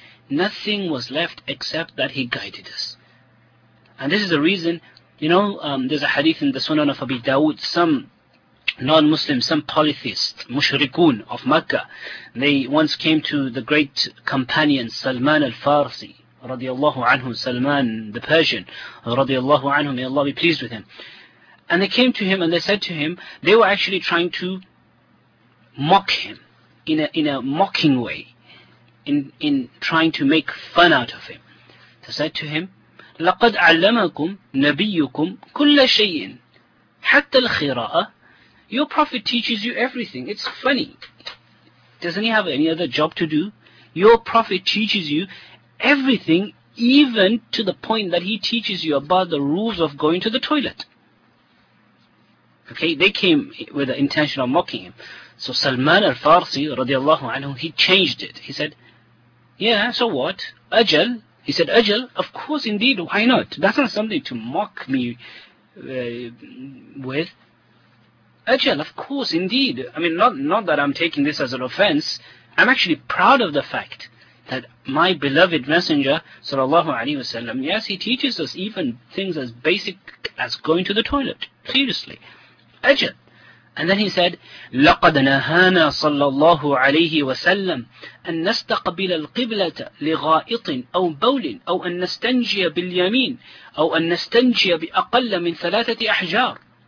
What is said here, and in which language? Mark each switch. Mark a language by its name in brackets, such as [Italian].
[English] Nothing was left except that he guided us. And this is the reason, you know, there's a hadith in the Sunan of Abi Dawud, some polytheists, mushrikun of Mecca, they once came to the great companion Salman al-Farsi, radiallahu anhu, Salman the Persian, radiallahu anhu, may Allah be pleased with him. And they came to him and they said to him, they were actually trying to mock him in a mocking way, in trying to make fun out of him. They said to him, [Arabic] لَقَدْ عَلَّمَكُمْ نَبِيُّكُمْ كُلَّ شَيْءٍ حَتَّى الْخِرَاءَ. [English] Your Prophet teaches you everything. It's funny. Doesn't he have any other job to do? Your Prophet teaches you everything, even to the point that he teaches you about the rules of going to the toilet. Okay, they came with the intention of mocking him. So Salman al-Farsi, radiallahu anhu, he changed it. He said, yeah, so what? Ajal. He said, Ajal, of course, indeed, why not? That's not something to mock me with. Ajal, of course, indeed. I mean, not that I'm taking this as an offense. I'm actually proud of the fact that my beloved Messenger, sallallahu alayhi wasallam, yes, he teaches us even things as basic as going to the toilet. Seriously. Ajal. And then he said, [Arabic] لَقَدْ نَهَانَا صَلَّى اللَّهُ عَلَيْهِ وَسَلَّمْ أَن نَسْتَقْبِلَ الْقِبْلَةَ لِغَائِطٍ أَوْ بَوْلٍ أَوْ أَن نَسْتَنْجِيَ بِالْيَمِينَ أَوْ أَن نَسْتَنْجِيَ بِأَقَلَّ مِنْ ثَلَاثَةِ أَحْجَارٍ.